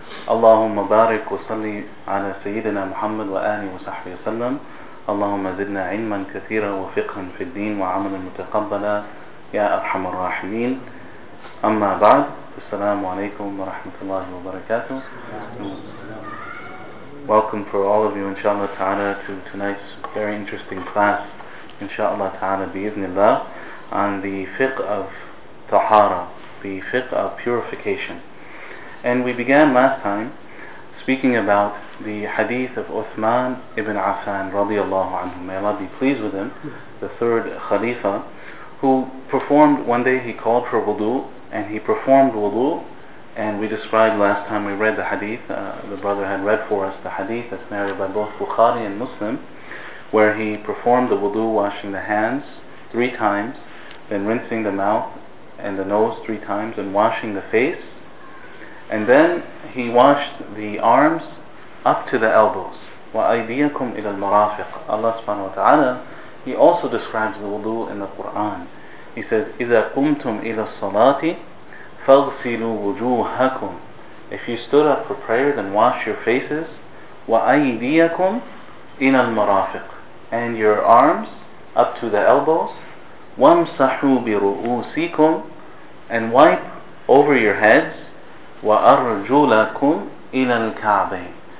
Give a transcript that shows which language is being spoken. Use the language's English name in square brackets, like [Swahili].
[Arabic] اللهم بارك وصلي على سيدنا محمد وآله وصحبه وسلم. اللهم زدنا علما كثيرا وفقها في الدين وعملا متقبلا يا أرحم الراحمين. أما بعد، السلام عليكم ورحمة الله وبركاته. [English] Welcome for all of you, inshallah ta'ala, to tonight's very interesting class, inshallah ta'ala, bi-ithnillah, on the fiqh of tahara, the fiqh of purification. And we began last time speaking about the hadith of Uthman ibn Affan, radiallahu anhu, may Allah be pleased with him, the third khalifa, who performed, one day he called for wudu, and he performed wudu. And we described last time we read the hadith, the brother had read for us the hadith that's narrated by both Bukhari and Muslim, where he performed the wudu, washing the hands three times, then rinsing the mouth and the nose three times, and washing the face. And then he washed the arms up to the elbows. [Arabic] وَأَيْدِيَكُمْ إِلَى الْمَرَافِقِ. [English] Allah subhanahu wa ta'ala, he also describes the wudu in the Qur'an. He says, [Arabic] إِذَا قُمْتُمْ إِلَى الصَّلَاةِ فَاغْسِلُوا وُجُوهَكُمْ. [English] If you stood up for prayer, then wash your faces. [Arabic] وَأَيْدِيَكُمْ إِلَى الْمَرَافِقِ. [English] And your arms up to the elbows. [Arabic] وَامْسَحُوا بِرُؤُوسِكُمْ. [English] And wipe over your heads. [Arabic] وَأَرْجُلَكُمْ إِلَى الْكَعْبَيْنِ.